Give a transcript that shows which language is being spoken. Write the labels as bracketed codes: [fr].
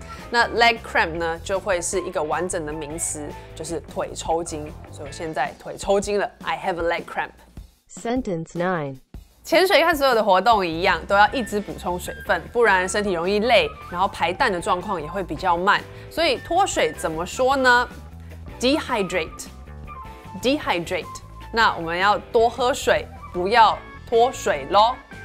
[zh] 那 leg cramp 呢，就会是一个完整的名词，就是腿抽筋。所以我现在腿抽筋了 ， [en] I have a leg cramp。 Sentence 9。 [zh] 潜水和所有的活动一样，都要一直补充水分，不然身体容易累，然后排氮的状况也会比较慢。所以脱水怎么说呢 ？Dehydrate。那我们要多喝水，不要脱水咯。